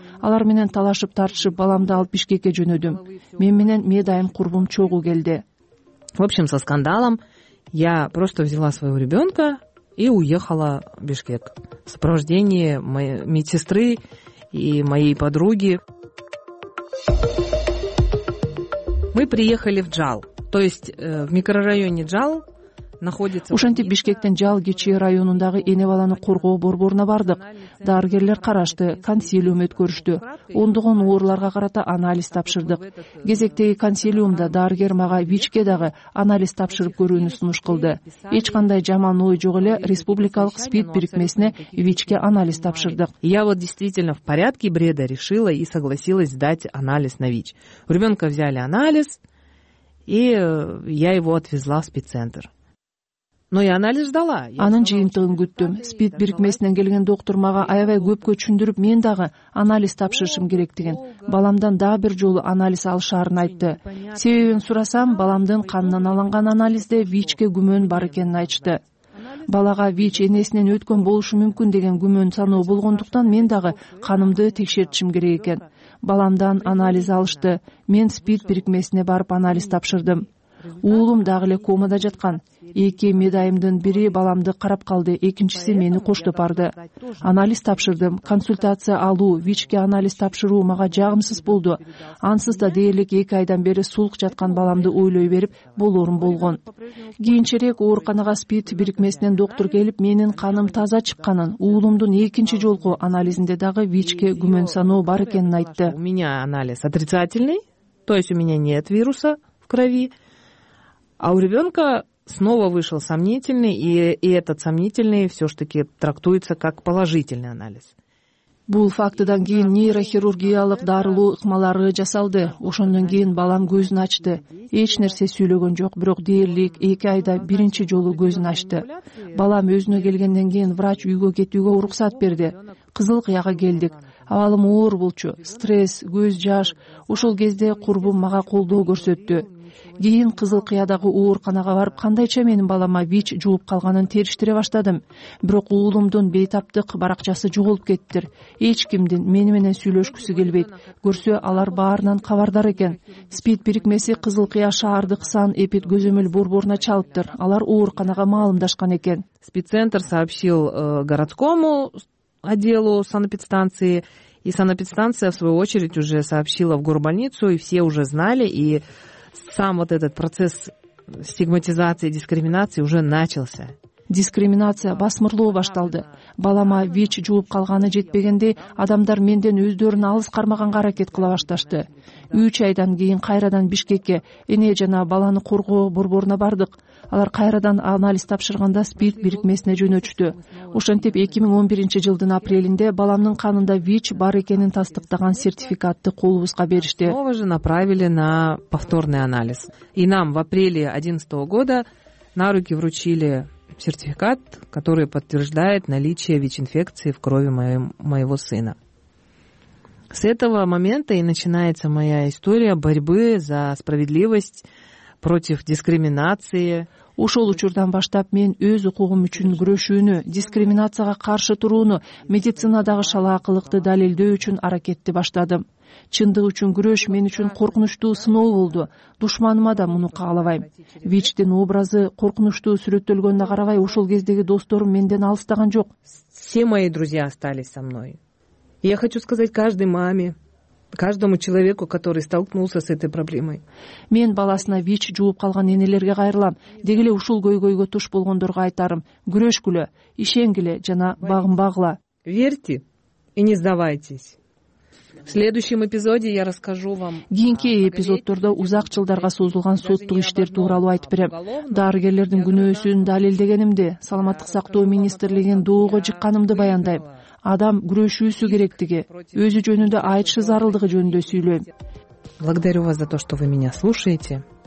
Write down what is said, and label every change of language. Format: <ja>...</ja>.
<ky>Алар менен талашып тартышып баламды алып Бишкекке жөнөдүм. Мен менен медайым курбум чогу келди.</ky> <ru>В общем, со скандалом я просто взяла своего ребенка и уехала в Бишкек. В сопровождении моей медсестры и моей подруги. Мы приехали в Джал, то есть в микрорайоне Джал.</ru> <ky>Ушинтип Бишкектен Жал кичүү районундагы эне баланы коргоо борборуна бардык. Дарыгерлер карашты, консилиум өткөрүштү. Ондогон ооруларга карата анализ тапшырдык. Кезектеги консилиумда дарыгер мага ВИЧ-ке дагы анализ тапшырып көрүүнү сунуш кылды. Эч кандай жаман ой жок эле республикалык СПИД бирикмесине ВИЧ-ке анализ тапшырдык.</ky> <ru>Я вот действительно в порядке бреда решила и согласилась сдать анализ на ВИЧ. У ребенка взяли анализ, и я его отвезла в спеццентр. Но я анализ ждала.</ru> <ky>Анын жыйынтыгын күттүм. СПИД бирикмесинен келген доктор мага аябай көпкө түшүндүрүп, мен дагы анализ тапшырышым керек деген. Баламдан дагы бир жолу анализ алышаарын айтты. Себебин сурасам, баламдын канынан алынган анализде ВИЧ-ке күмөн бар экенин айтты. Балага ВИЧ энесинен өткөн болушу мүмкүн деген күмөн саноо болгондуктан мен дагы канымды текшертишим керек экен. Баламдан анализ алышты. Мен СПИД бирикмесине барып анализ тапшырдым. Уулум дагы эле комада жаткан. 2 медайымдын бири баламды карап калды, экинчиси мени коштоп барды. Анализ тапшырдым, консультация алуу, ВИЧ-ке анализ тапшыруу мага жагымсыз болду. Ансыз да дээрлик 2 айдан бери суулук жаткан баламды ойлой берип, болорум болгон. Кийинчерээк ооруканага СПИД бирикмесинен доктор келип, менин каным таза чыкканын, уулумдун 2-жолку анализинде дагы ВИЧ-ке күмөн саноо бар экенин айтты.</ky> <ru>У меня анализ отрицательный, то есть у меня нет вируса в крови. А у ребенка снова вышел сомнительный, и этот сомнительный все-таки трактуется как положительный анализ.</ru> <ky>Бул фактыдан кийин нейрохирургиялык дарылуу ыкмалары жасалды. Ошондон кийин балам көзүн ачты. Эч нерсе сүйлөгөн жок, бирок дээрлик 2 айда 1-жолу көзүн ачты. Балам өзүнө келгенден кийин врач үйгө кетүүгө уруксат берди. Кызыл кыяга келдик. Абалым оор болчу, стресс, көз жаш. Ошол кезде курбум мага колдоо көрсөттү. Кийин кызыл кыядагы ооруканага барып, кандайча менин балама ВИЧ жугуп калганын териштире баштадым. Бирок уулумдун бейтаптык баракчасы жоголуп кеттир. Эч кимдин мени менен сүйлөшкүсү келбейт. Көрсө алар баарынан кабардар экен. СПИД бирикмеси кызыл кыя шаардык сан эпид көзөмөл борборуна чалыптыр. Алар ооруканага маалымдашкан экен.</ky> <ru>СПИД-центр сообщил городскому отделу санэпидстанции. И санэпидстанция, в свою очередь, уже сообщила в горбольницу, и все уже знали, и сам вот этот процесс стигматизации, дискриминации уже начался.</ru> <ky>Дискриминация басмырлоо башталды. Балама ВИЧ жугуп калганы жетпегенде, адамдар менден өздөрүн алыс кармаганга аракет кыла башташты. 3 айдан кийин кайрадан Бишкекке эне жана баланы коргоо борборуна бардык. Алар кайрадан анализ тапшырганда СПИД бирикмесине жөнөтүштү. Ошентип 2011 жылдын апрелинде баламдын канында ВИЧ бар экенин тастыктаган сертификатты колубузга беришти.</ky> <ru>Снова же направили на повторный анализ. И нам в апреле 2011 года на руки вручили сертификат, который подтверждает наличие ВИЧ-инфекции в крови моего сына. С этого момента и начинается моя история борьбы за справедливость, против дискриминации.</ru> <ky>Ошол учурдан баштап мен өз укугум үчүн күрөшүүнү, дискриминацияга каршы турууну, медицинадагы шалаакылыкты далилдөө үчүн аракетти баштадым. Чындык үчүн күрөш мен үчүн коркунучтуу сыноо болду. Душманыма да муну каалабайм. Вичтин образы коркунучтуу сүрөттөлгөнүнө карабай, ошол кездеги досторум менден алыстаган жок.</ky> <ru>Все мои друзья остались со мной. Я хочу сказать каждой маме, каждому человеку, который столкнулся с этой проблемой.</ru> <ky>Мен баласына вич жууп калган энелерге кайрылам. Деги эле ушул көйгөйгө туш болгондорго айтарым. Күрөшкүлө, ишенгиле жана багынбагыла.</ky> <ru>Верьте и не сдавайтесь. В следующем эпизоде я расскажу вам.</ru> <ky>Кийинки эпизоддордо узак жылдарга созулган соттук иштер тууралуу айтып берем. Дарыгерлердин күнөөсүн далилдегенимди, саламаттык сактоо министрлигинин доого чыкканымды баяндайм. Адам күрөшүүсү керектиги, өзү жөнүндө айтышы зарылдыгы жөнүндө сүйлөйм.</ky> <ru>Благодарю вас за то, что вы меня слушаете.</ru>